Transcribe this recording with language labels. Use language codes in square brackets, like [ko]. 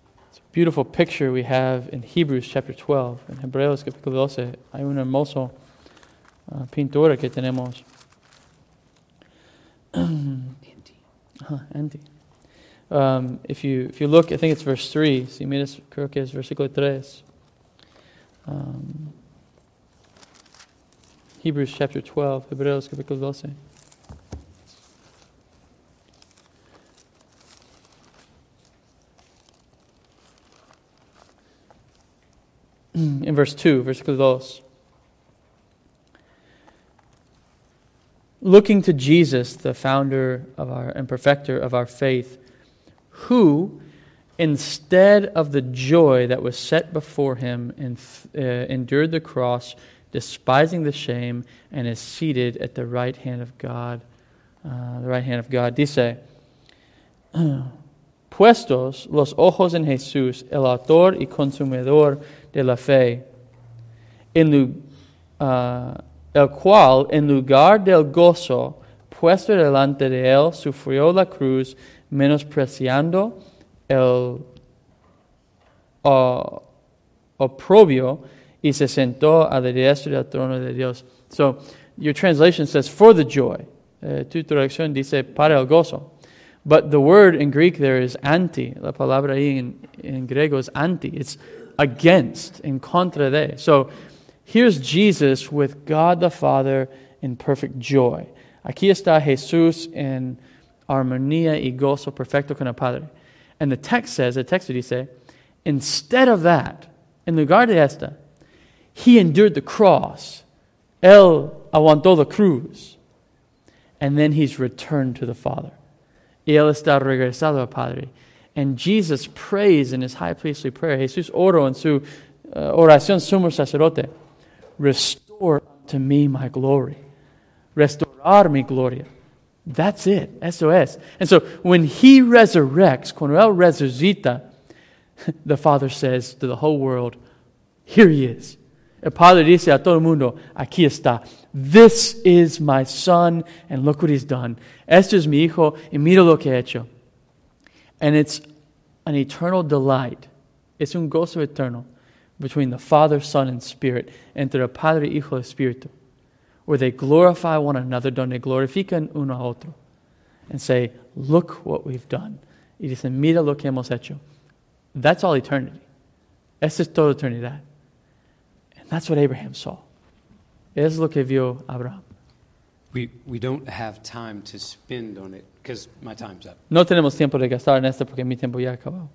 [en] It's a beautiful picture we have in Hebrews chapter 12. [es] En Hebreos capítulo 12 hay una hermosa pintura que tenemos. [en] Andy. If you look, I think it's verse 3. [es] Si miras, creo que es versículo 3. [en] Hebrews chapter 12, [es] Hebreos capítulo 12. [en] In verse 2, [es] versículo 2. [en] Looking to Jesus, the founder of our and perfecter of our faith, who, instead of the joy that was set before him, endured the cross, despising the shame, and is seated at the right hand of God. [es] Dice, puestos los ojos en Jesús, el autor y consumidor de la fe, el cual, en lugar del gozo, puesto delante de él, sufrió la cruz, menospreciando el oprobio, y se sentó a la diestra del trono de Dios. [en] So, your translation says, for the joy. [es] Tu traducción dice, para el gozo. [en] But the word in Greek there is anti. [es] La palabra ahí en griego es anti. [en] It's against, [es] en contra de. [en] So here's Jesus with God the Father in perfect joy. [es] Aquí está Jesús en armonía y gozo perfecto con el Padre. [en] And the text says, the text [es] dice, [en] instead of that, [es] en lugar de esta, [en] he endured the cross. [es] Él aguantó la cruz. [en] And then he's returned to the Father. [es] Y él está regresado al Padre. [en] And Jesus prays in his high priestly prayer. [es] Jesús oró en su oración sumo sacerdote. [en] Restore to me my glory. [es] Restaurar mi gloria. [en] That's it. [es] Eso es. [en] And so when he resurrects, [es] cuando él resucita, [en] the Father says to the whole world, here he is. [es] El Padre dice a todo el mundo, aquí está. [en] This is my son, and look what he's done. [es] Este es mi hijo, y mira lo que ha hecho. [en] And it's an eternal delight. [es] Es un gozo eterno [en] between the Father, Son, and Spirit, [es] entre el Padre, Hijo, y Espíritu, [en] where they glorify one another, [es] donde glorifican uno a otro, [en] and say, look what we've done. [es] Y dicen, mira lo que hemos hecho. [en] That's all eternity. [es] Este es toda eternidad. [en] That's what Abraham saw. [es] Es lo que vio Abraham. [en] we don't have time to spend on it because my time's up. [es] No tenemos tiempo de gastar en esto porque mi tiempo ya acabó.